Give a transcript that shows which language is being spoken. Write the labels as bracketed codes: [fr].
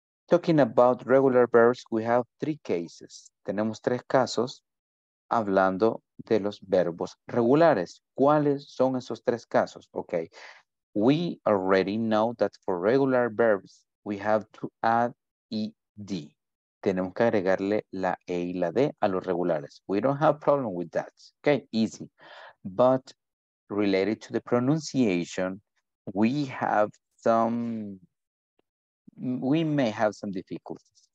[en] Talking about regular verbs, we have three cases. [es] Tenemos tres casos hablando de los verbos regulares. ¿Cuáles son esos tres casos? Okay. [en] We already know that for regular verbs, we have to add ed. [es] Tenemos que agregarle la e y la d a los regulares. [en] We don't have problem with that. Okay, easy. But related to the pronunciation, we have some, we may have some difficulties.